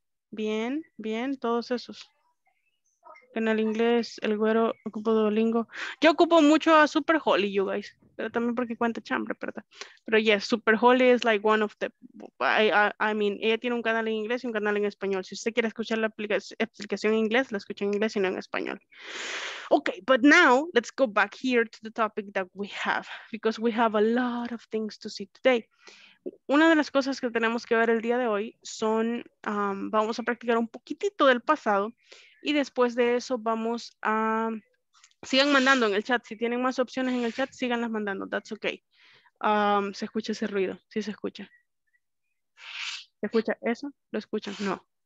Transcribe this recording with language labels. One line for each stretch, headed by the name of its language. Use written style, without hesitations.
Spanish: Bien, bien, todos esos. Canal inglés, el güero, ocupo Duolingo. Yo ocupo mucho a Super Holly,
English: you guys.
Spanish: Pero también porque cuenta chambre, ¿verdad?
English: Pero yes, Super Holly es like one of the... I mean,
Spanish: ella tiene un canal en inglés y un canal en español. Si usted quiere escuchar la explicación en inglés, la escucha en inglés y no en español.
English: Ok, but now, let's go back here to the topic that we have. Because we have a lot of things to see today.
Spanish: Una de las cosas que tenemos que ver el día de hoy son... vamos a practicar un poquitito del pasado. Y después de eso vamos a... Sigan mandando en el chat. Si tienen más opciones en el chat, síganlas mandando.
English: That's okay.
Spanish: ¿Se escucha ese ruido? Sí se escucha. ¿Se escucha eso? ¿Lo escuchan? No.